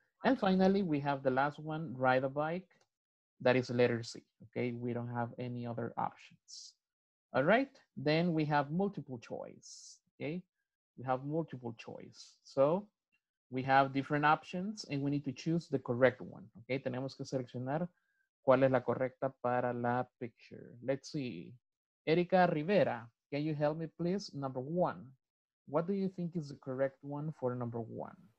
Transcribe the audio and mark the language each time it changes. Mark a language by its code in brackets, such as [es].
[en] And finally, we have the last one, ride a bike. That is letter C. Okay. We don't have any other options. All right. Then we have multiple choice. Okay. We have multiple choice. So We have different options and we need to choose the correct one. [es] Okay, tenemos que seleccionar cuál es la correcta para la picture. [en] Let's see. Erika Rivera, can you help me please? Number one, what do you think is the correct one for number one?